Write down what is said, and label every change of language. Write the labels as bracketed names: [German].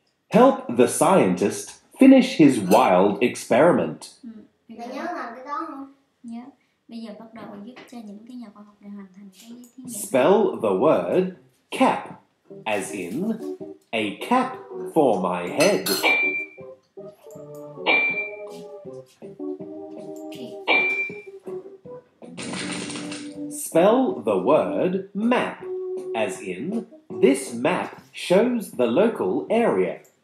[English] Help the scientist finish his wild experiment. [Vietnamese] Nhớ làm cái đó không? Nhớ. Bây giờ bắt đầu giúp cho những cái nhà khoa học để hoàn thành cái thí nghiệm. [English] Spell the word cap, as in a cap for my head. Spell the word map, as in this map shows the local area.